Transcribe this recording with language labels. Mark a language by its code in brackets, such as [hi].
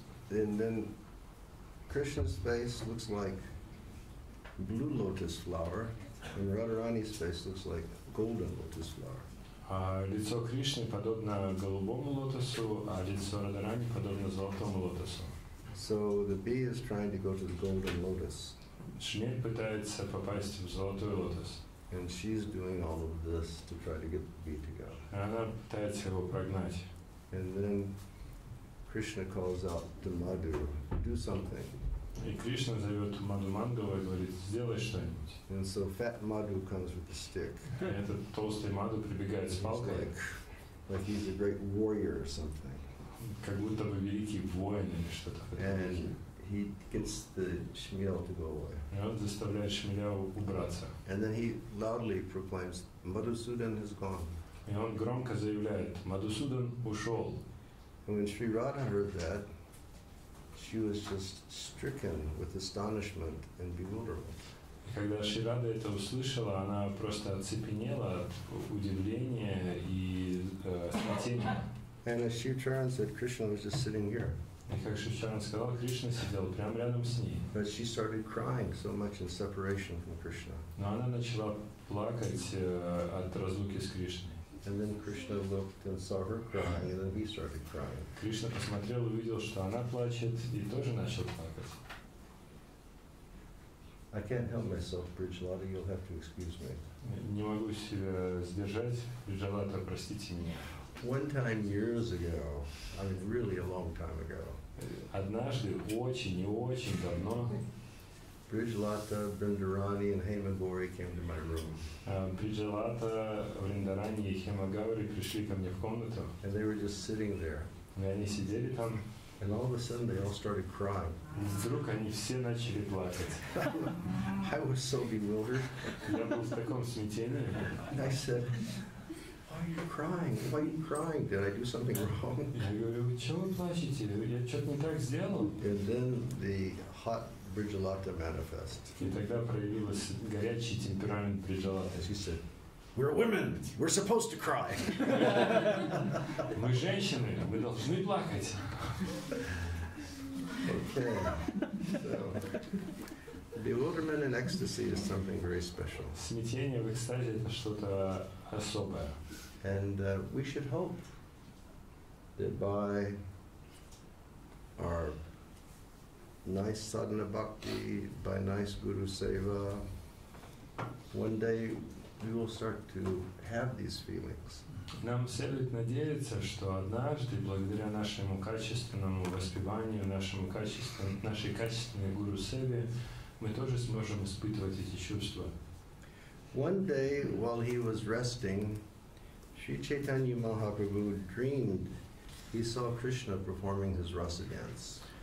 [en] And then Krishna's face looks like blue lotus flower, and Radharani's face looks like golden lotus flower. [ru] А лицо Кришны подобно голубому лотосу, а лицо Радхарани подобно золотому лотосу. [en] So the bee is trying to go to the golden lotus. [ru] Шмель пытается попасть в золотой лотос. [en] And she's doing all of this to try to get the bee to go. [ru] Она пытается его прогнать. [en] And then Krishna calls out to Madhu, do something. [ru] И Кришна зовет Маду Мангала и говорит, сделай что-нибудь. [en] And so fat Madhu comes with a stick. [ru] И этот толстый Маду прибегает с палкой. [en] Like he's a great warrior or something. [ru] Как будто бы великий воин или что-то. [en] And he gets the Shmuel to go away. [ru] И он заставляет Шмеля убраться. [en] And then he loudly proclaims, Madhusudan has gone. [ru] И он громко заявляет, Мадхусудан ушел. [en] And when Sri Radha heard that, she was just stricken with astonishment and bewilderment. [ru] Когда Шри Рада это услышала, она просто оцепенела от удивления и смятения. [en] And as Shiv Charan said, Krishna was just sitting here. [ru] И как Шри Чаран сказал, Кришна сидел прямо рядом с ней. [en] But she started crying so much in separation from Krishna. [ru] Но она начала плакать от разлуки с Кришной. [en] And then Krishna looked and saw her crying, and then he started crying. [ru] Кришна посмотрел и увидел, что она плачет, и тоже начал плакать. [en] I can't help myself, Bridgelata, you'll have to excuse me. [ru] Не могу себя сдержать, Bridgelata, простите меня. [en] One time years ago, I mean really a long time ago. [ru] Однажды, очень и очень давно. [en] Bridgelata, Vrindarani, and Hemagauri came to my room. [ru] Bridgelata, Vrindarani, and Hemagauri пришли ко мне в комнату. [en] And they were just sitting there. [ru] И они сидели там. [en] And all of a sudden, they all started crying. [ru] И вдруг они все начали плакать. [en] I was so bewildered. [ru] Я был в таком смятении. [en] And I said, Why are you crying? Did I do something wrong? [ru] Я говорю, вы чего вы плачете? Я что-то не так сделал. [en] And then the hot Bridgelata manifest. [ru] И тогда проявилась горячий темперамент Bridgelata. [en] She said, "We're women. We're supposed to cry." [ru] Мы женщины. Мы должны плакать. [en] Okay. So, bewilderment and ecstasy is something very special. [ru] Смятение в экстазе это что-то особое. [en] And we should hope that by our nice sadhana bhakti, by nice guru seva, one day we will start to have these feelings. [ru] Нам следует надеяться, что однажды, благодаря нашему качественному воспеванию, нашему качественному, нашей качественной гуру Севе, мы тоже сможем испытывать эти чувства. [en] One day, while he was resting, Sri Chaitanya Mahaprabhu dreamed he saw Krishna performing his rasa dance.